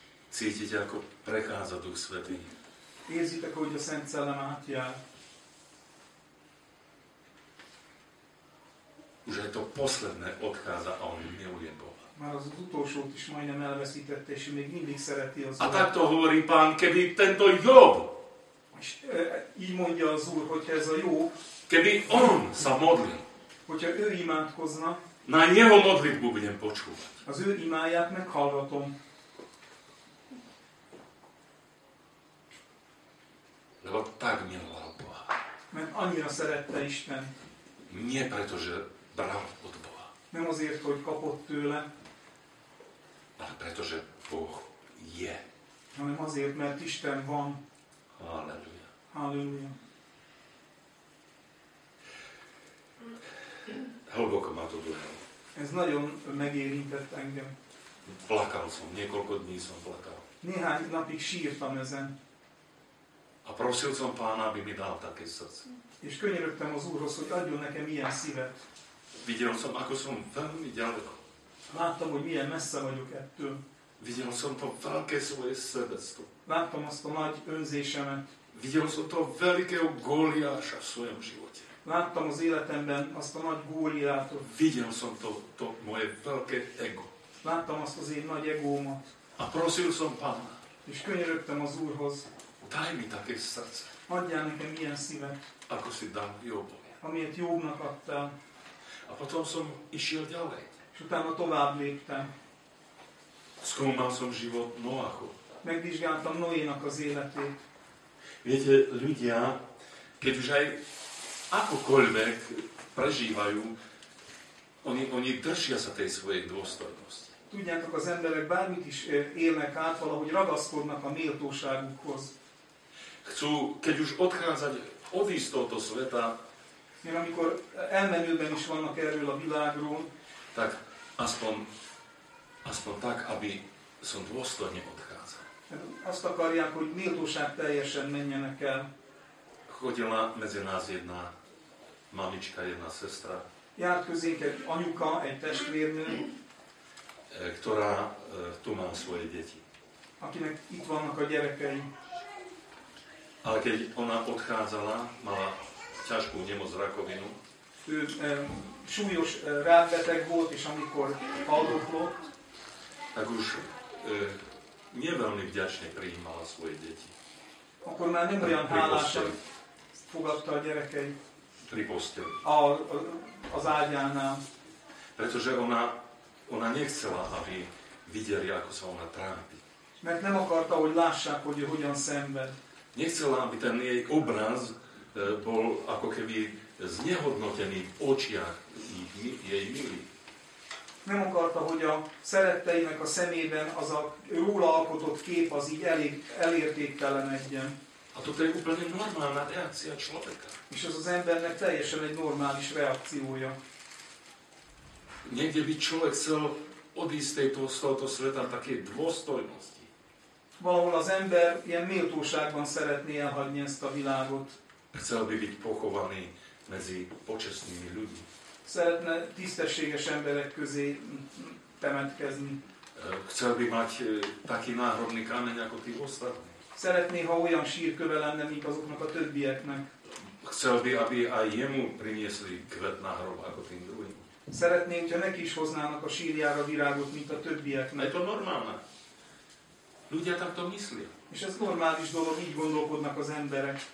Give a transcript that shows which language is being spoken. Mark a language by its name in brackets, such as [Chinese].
[Slovak] Cítite, ako prechádza Duch Svätý. [Hungarian] Érzitek, hogy a Szent Szellem átjár. [Slovak] Už aj to posledné odchádza a on miluje Boha. [Hungarian] Már az utolsót is majdnem elveszítette, és még mindig szereti az Urat. [Slovak] A takto hovorí Pán, keby tento Jób. [Hungarian] És így mondja az Úr, hogyha ez a Jób. [Slovak] Keby on sa modlí. [Hungarian] Hogyha ő imádkozna. [Slovak] Na jeho modlitbu budem počúvať. [Hungarian] Az ő imáját meghallgatom. [Slovak] Lebo tak miloval Boha. [Hungarian] Mert annyira szerette Isten. [Slovak] Nie preto, že bral od Boha. [Hungarian] Nem azért, hogy kapott tőle. [Slovak] Ale pretože Boh je. [Hungarian] Ale azért, mert Isten van. [Slovak] Halleluja. [Hungarian] Halleluja. [Slovak] Hlboko ma to dojalo. [Hungarian] Ez nagyon megérintett engem. [Slovak] Plakal som, niekoľko dní som plakal. [Hungarian] Néhány napig sírtam ezen. [Slovak] A prosil som Pána, aby mi dal také srdce. [Hungarian] És könyörögtem az Úrhoz, hogy adjon nekem ilyen szívet. [Slovak] Videl som, ako som veľmi ďaleko. [Hungarian] Láttam, hogy milyen messze vagyok ettől. [Slovak] Videl som to veľké svoje sebectvo. [Hungarian] Láttam azt a nagy önzésemet. [Slovak] Videl som to veľkého Góliáša v svojom živote. [Hungarian] Láttam az életemben azt a nagy Góliátot. [Slovak] Videl som to moje veľké ego. [Hungarian] Láttam azt az én nagy egómat. [Slovak] A prosil som Pána. [Hungarian] És könyörögtem az Úrhoz. [Slovak] Daj mi také srdce. [Hungarian] Adjál nekem ilyen szívet. [Slovak] Ako si dám Jobom. [Hungarian] Amiért Jobnak adtál. [Slovak] A potom som išiel ďalej. [Hungarian] És utána tovább léptem. [Slovak] Skúmal som život Noacho. [Hungarian] Megvizsgáltam Noénak az életét. [Slovak] Viete, ľudia, keď už aj akokoľvek prežívajú, oni držia sa tej svojej dôstojnosti. [Hungarian] Tudjátok, az emberek bármit is élnek át, valahogy ragaszkodnak a méltóságukhoz. [Slovak] Chcú, keď už odchádzať, odísť tohto sveta, [Hungarian] mert amikor elmenőben is vannak erről a világról, [Slovak] tak aspoň tak, aby som dôstojne odchádzal. [Hungarian] Azt akarják, hogy méltóság teljesen menjenek el. [Slovak] Chodila medzi nás jedna mamička, jedna sestra. [Hungarian] Járt közénk egy anyuka, egy testvérnő. [Slovak] Ktorá tu má svoje deti. [Hungarian] Akinek itt vannak a gyerekei. [Slovak] Ale keď ona odchádzala, mala ťažkú nemoc, rakovinu. [Hungarian] Ő súlyos rákbeteg volt, és amikor aldoklott. [Slovak] Tak už neveľmi vďačne prijímala svoje deti. [Hungarian] Akkor már nem olyan hálásan fogadta a gyerekei. [Slovak] Pri posteli. [Hungarian] Az ágyánál. [Slovak] Pretože ona nechcela, aby videli, ako sa ona trápi. [Hungarian] Mert nem akarta, hogy lássák, hogy hogyan szenved. [Slovak] Nechcela, aby ten jej obraz bol ako keby znehodnotený v očiach jej milí. [Hungarian] Nem akarta, hogy a szeretteinek a szemében az a róla alkotott kép az így elértéktelen egyen. [Slovak] A toto je úplne normálna reakcia človeka. [Hungarian] És az embernek teljesen egy normális reakciója. [Slovak] Niekde by človek chcel odísť z tohoto sveta také dôstojnosti. [Hungarian] Valahol az ember ilyen méltóságban szeretné elhagyni ezt a világot. [Slovak] Chcel by byť pochovaný medzi počestnými ľuďmi. [Hungarian] Szeretne tisztességes emberek közé temetkezni. [Slovak] Chcel by mať taký náhrobný kameň, ako tí ostatní. [Hungarian] Szeretné, ha olyan sírköve lenne, mint azoknak a többieknek. [Slovak] Chcel by, aby aj jemu priniesli kvet náhrob, ako tým druhým. [Hungarian] Szeretné, hogyha neki is hoznának a sírjára virágot, mint a többieknek. [Slovak] Je to normálne. Ľudia takto myslia. [Hungarian] És ez normális dolog, így gondolkodnak az emberek.